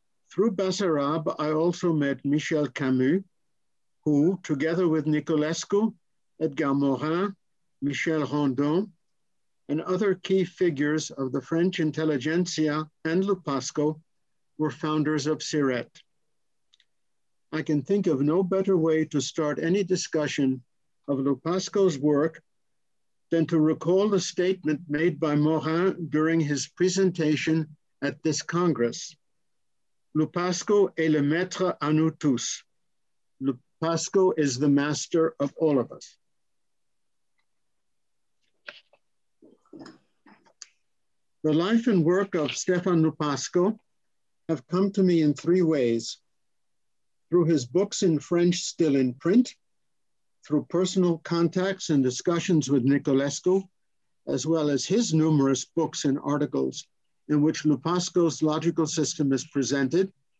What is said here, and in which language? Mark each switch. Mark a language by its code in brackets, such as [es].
[en] Through Basarab, I also met Michel Camus, who, together with Niculescu, Edgar Morin, Michel Rondon, and other key figures of the French intelligentsia and Lupasco, were founders of Siret. I can think of no better way to start any discussion of Lupasco's work than to recall the statement made by Morin during his presentation at this Congress. [fr] Lupasco est le maître à nous tous. [en] Lupasco is the master of all of us. The life and work of Stefan Lupasco have come to me in three ways: through his books in French still in print, through personal contacts and discussions with Niculescu, as well as his numerous books and articles in which Lupasco's logical system is presented,